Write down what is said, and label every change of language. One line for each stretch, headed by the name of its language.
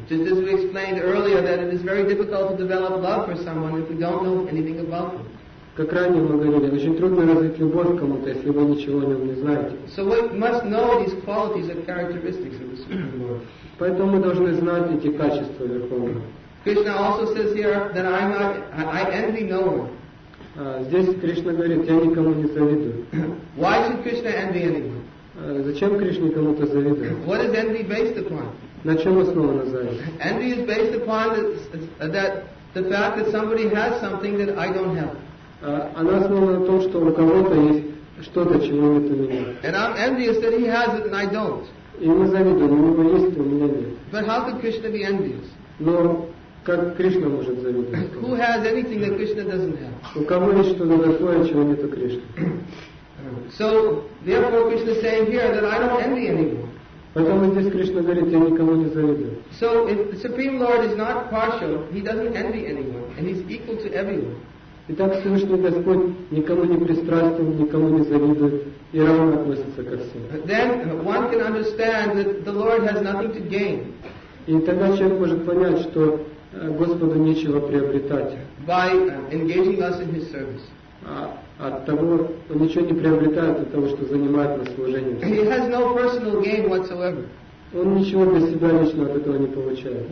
English: Just as we explained earlier that it is very difficult to develop love for someone if we don't know anything about them.
Russian: Как ранее мы говорили, очень трудно развить любовь к кому-то, если вы ничего о нем не знаете.
English: So we must know these qualities and characteristics of the Supreme Lord.
Russian: Поэтому мы должны знать эти качества Верховного.
English: Krishna also says here that I envy no one.
Russian: Здесь Кришна говорит, я никому не завидую.
English: Why should Krishna envy anyone?
Russian: Зачем Кришне кому-то завидовать?
English: What is envy based upon?
Russian: На чем основана зависть?
English: Envy is based upon the fact that somebody has something that I don't have.
Russian: Она основана на том, что у кого-то есть что-то, чего нет у меня.
English: And I'm envious that he has it and I don't.
Russian: И мы завидуем, у него есть, у меня нет.
English: But how could Krishna be envious?
Russian: Но как Кришна может завидовать?
English: Who has anything that Krishna doesn't have?
Russian: У кого есть что-то такое, чего нет у Кришны?
English: So, therefore, Krishna is saying here that I don't envy anyone.
Russian: Поэтому здесь Кришна говорит, я никому не завидую.
English: So, if the Supreme Lord is not partial, he doesn't envy anyone, and he's equal to everyone.
Russian: Итак, Всевышний Господь никому не пристрастен, никому не завидует и равно относится ко всем.
English: Then one can understand that the Lord has nothing to gain.
Russian: И тогда человек может понять, что Господу нечего приобретать.
English: By engaging us in His service.
Russian: От того, он ничего не приобретает от того, что занимает нас служением.
English: He has no personal gain whatsoever.
Russian: Он ничего для себя лично от этого не получает.